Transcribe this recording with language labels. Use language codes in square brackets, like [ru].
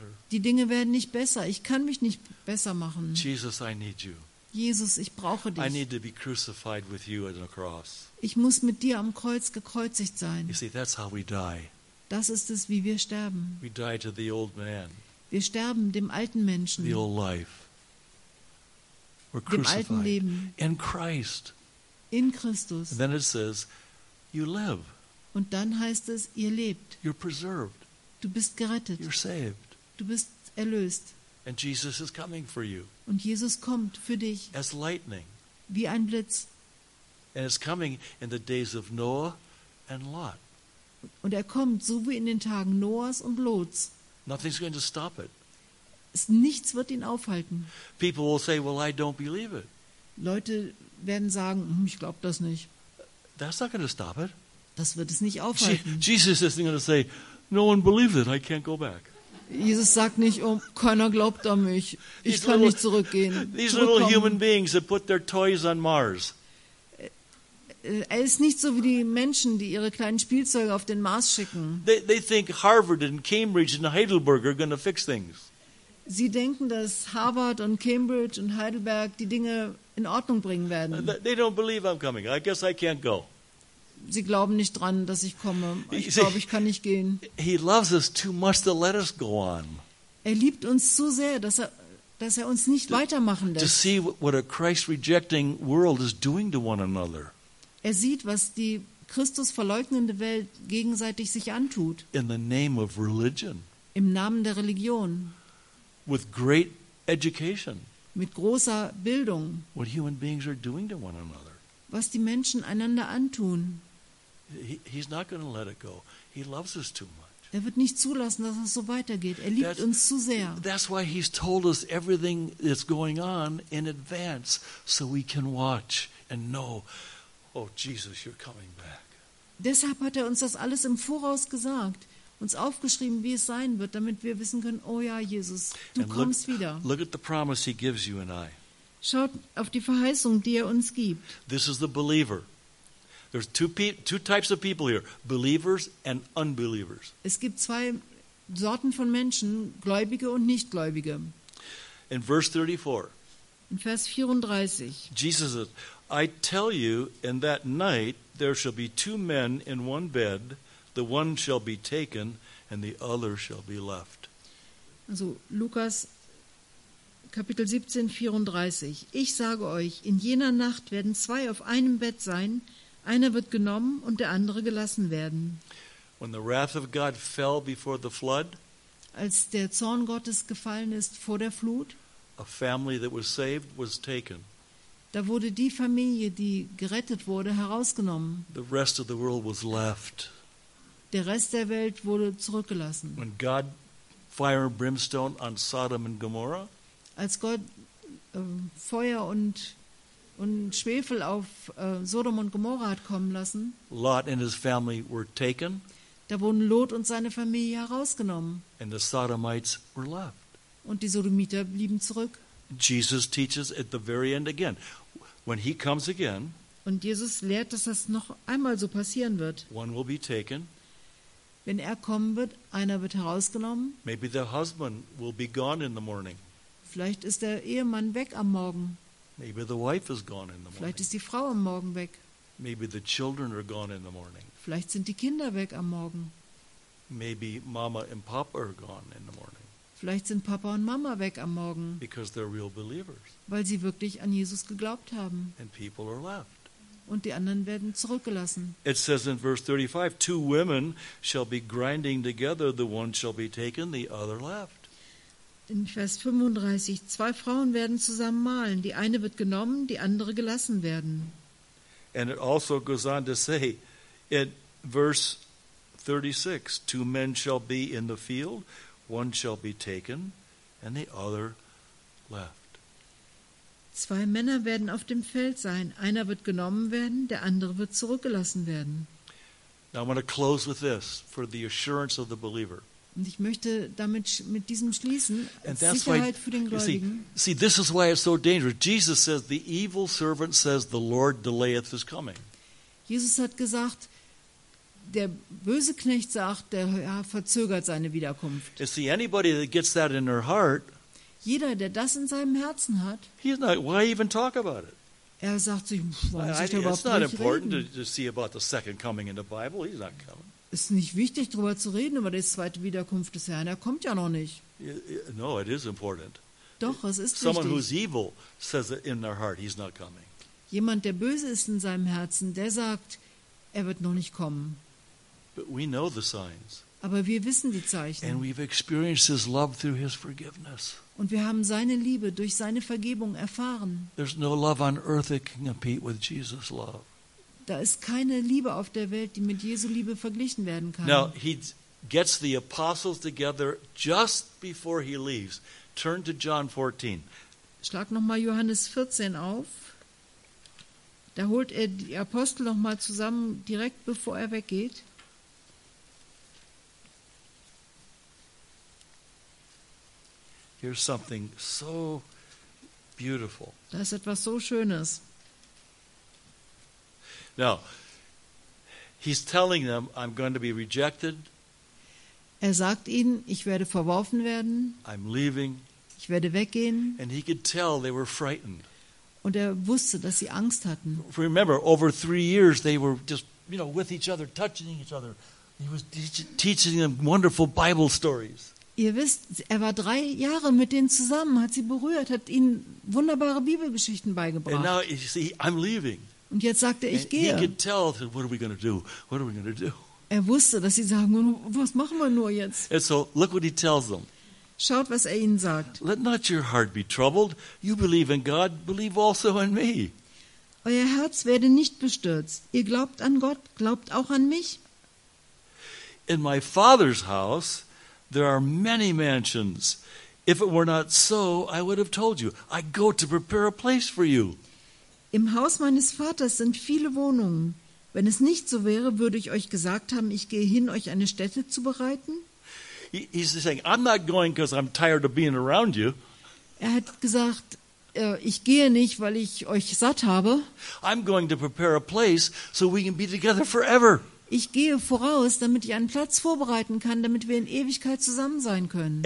[de] Die Dinge werden nicht besser, ich kann mich nicht besser machen. [en] Jesus, I need you. [de] Jesus, ich brauche dich. [en] I need to be crucified with you on the cross. [de] Ich muss mit dir am Kreuz gekreuzigt sein. [en] You see, that's how we die. [de] Das ist es, wie wir sterben. [en] We die to the old man. [de] Wir sterben dem alten Menschen. [en] The old life. We're crucified. [de] Dem alten Leben. [en] In Christ. [de] In Christus. [en] And then it says, you live. [de] Und dann heißt es, ihr lebt. [en] You're preserved. [de] Du bist gerettet. [en] You're saved. [de] Du bist erlöst. [en] And Jesus is coming for you. [de] Und Jesus kommt für dich. [en] As lightning. [de] Wie ein Blitz. [en] And it's coming in the days of Noah and Lot. [de] Und kommt so wie in den Tagen Noahs und Lots. [en] Nothing's going to stop it. [de] Nichts wird ihn aufhalten. [en] People will say, "Well, I don't believe it." [de] Leute werden sagen, ich glaube das nicht. [en] That's not going to stop it. [de] Das wird es nicht aufhalten. [en] Jesus isn't going to say, "No one believes it. I can't go back." [de] Jesus sagt nicht, oh, keiner glaubt an mich. Ich kann nicht zurückgehen. [en] These little human beings that put their toys on Mars. [de] Er ist nicht so wie die Menschen, die ihre kleinen Spielzeuge auf den Mars schicken. [en] They think Harvard and Cambridge and Heidelberg are going to fix things. [de] Sie denken, dass Harvard und Cambridge und Heidelberg die Dinge in Ordnung bringen werden. [en] They don't believe I'm coming. I guess I can't go. [de] Sie glauben nicht dran, dass ich komme. Ich glaube, ich kann nicht gehen. [en] He loves us too much to let us go on. [de] Er liebt uns zu sehr, dass er uns nicht weitermachen lässt. [en] To see what a Christ-rejecting world is doing to one another. [de] Er sieht, was die Christus verleugnende Welt gegenseitig sich antut. [en] In the name of religion. [de] Im Namen der Religion. [en] With great education. [de] Mit großer Bildung. [en] What human beings are doing to one another. [de] Was die Menschen einander antun. [en] He's not going to let it go. He loves us too much. [de] Er wird nicht zulassen, dass es so weitergeht. Er liebt uns zu sehr. [en] That's why he's told us everything that's going on in advance, so we can watch and know. Oh Jesus, you're coming back. [de] Deshalb hat er uns das alles im Voraus gesagt, uns aufgeschrieben, wie es sein wird, damit wir wissen können, oh ja, Jesus, du kommst wieder. [en] Look at the promise he gives you and I. [de] Schaut auf die Verheißung, die er uns gibt. [en] This is the believer. There's two types of people here, believers and unbelievers. [de] Es gibt zwei Sorten von Menschen, Gläubige und Nichtgläubige. [en] In verse 34. [de] In Vers 34. [en] Jesus says, I tell you, in that night there shall be two men in one bed, the one shall be taken and the other shall be left. [de] Also Lukas Kapitel 17, 34. Ich sage euch, in jener Nacht werden zwei auf einem Bett sein, einer wird genommen und der andere gelassen werden. [en] When the wrath of God fell before the flood, [de] als der Zorn Gottes gefallen ist vor der Flut, [en] a family that was saved was taken. [de] Da wurde die Familie, die gerettet wurde, herausgenommen. [en] The rest of the world was left. [de] Der Rest der Welt wurde zurückgelassen. [en] When God fire and brimstone on Sodom and Gomorrah, [de] als Gott Feuer und Schwefel auf Sodom und Gomorra hat kommen lassen, [en] Lot and his family were taken, [de] da wurden Lot und seine Familie herausgenommen. [en] And the Sodomites were left. [de] Und die Sodomiter blieben zurück. [en] Jesus teaches at the very end again. When he comes again, [de] und Jesus lehrt, dass das noch einmal so passieren wird. [en] One will be taken. [de] Wenn er kommen wird, einer wird herausgenommen. [en] Maybe the husband will be gone in the morning. [de] Vielleicht ist der Ehemann weg am Morgen. [en] Maybe the wife is gone in the morning. [de] Vielleicht ist die Frau am Morgen weg. [en] Maybe the children are gone in the morning. [de] Vielleicht sind die Kinder weg am Morgen. [en] Maybe Mama and Papa are gone in the morning. [de] Vielleicht sind Papa und Mama weg am Morgen, [en] because they're real believers. [de] Weil sie wirklich an Jesus geglaubt haben. [en] And people are left. [de] Und die anderen werden zurückgelassen. [en] It says in verse 35, two women shall be grinding together, the one shall be taken, the other left. [de] In Vers 35, zwei Frauen werden zusammen mahlen, die eine wird genommen, die andere gelassen werden. [en] And it also goes on to say, in verse 36, two men shall be in the field, one shall be taken, and the other left. [de] Zwei Männer werden auf dem Feld sein. Einer wird genommen werden, der andere wird zurückgelassen werden. [en] Now I'm going to close with this for the assurance of the believer. [de] Und ich möchte damit mit diesem schließen, Sicherheit für den Gläubigen. [en] See, this is why it's so dangerous. Jesus says, the evil servant says, the Lord delayeth his coming. [de] Jesus hat gesagt, der böse Knecht sagt, der Herr verzögert seine Wiederkunft. [en] You see, anybody that gets that in their heart, [de] jeder, der das in seinem Herzen hat, [en] he's not, why even talk about it? [de] Er sagt sich, warum soll ich darüber reden? [en] It's not important to see about the second coming in the Bible. He's not coming. [de] Es ist nicht wichtig, darüber zu reden, über die zweite Wiederkunft des Herrn. Er kommt ja noch nicht. [en] No, it is important. [de] Doch, es ist [en] Someone [de] wichtig. [en] Someone who's evil says it in their heart, he's not coming. [de] Jemand, der böse ist in seinem Herzen, der sagt, er wird noch nicht kommen. [en] But we know the signs. [de] Aber wir wissen die Zeichen. [en] And we've experienced his love through his forgiveness. [de] Und wir haben seine Liebe durch seine Vergebung erfahren. [en] There's no love on earth that can compete with Jesus' love. [de] Da ist keine Liebe auf der Welt, die mit Jesu Liebe verglichen werden kann. [en] Now he gets the apostles together just before he leaves. Turn to John 14. [de] Schlag noch mal Johannes 14 auf. Da holt er die Apostel noch mal zusammen direkt bevor er weggeht. [en] Here's something so beautiful. [de] Da ist etwas so Schönes. [en] Now, he's telling them, I'm going to be rejected. [de] Er sagt ihnen, ich werde verworfen werden. [en] I'm leaving. [de] Ich werde weggehen. [en] And he could tell they were frightened. [de] Und er wusste, dass sie Angst hatten. [en] Remember, over 3 years, they were just, you know, with each other, touching each other. He was teaching them wonderful Bible stories. [de] Ihr wisst, er war 3 Jahre mit denen zusammen, hat sie berührt, hat ihnen wunderbare Bibelgeschichten beigebracht. [en] And now, you see, I'm leaving. [de] Und jetzt sagte er, ich gehe. [en] He could tell, what are we going to do? What are we going to do? [de] Er wusste, dass sie sagen, was machen wir nur jetzt? [en] And so look what he tells them. [de] Schaut, was er ihnen sagt. [en] Let not your heart be troubled. You believe in God, believe also in me. [de] Euer Herz werde nicht bestürzt. Ihr glaubt an Gott, glaubt auch an mich. [en] In my Father's house there are many mansions. If it were not so, I would have told you. I go to prepare a place for you. [de] Im Haus meines Vaters sind viele Wohnungen. Wenn es nicht so wäre, würde ich euch gesagt haben, ich gehe hin, euch eine Stätte zu bereiten. [en] He's saying, I'm not going because I'm tired of being around you. [de] Er hat gesagt, ich gehe nicht, weil ich euch satt habe. [en] I'm going to prepare a place so we can be together forever. [de] Ich gehe voraus, damit ich einen Platz vorbereiten kann, damit wir in Ewigkeit zusammen sein können.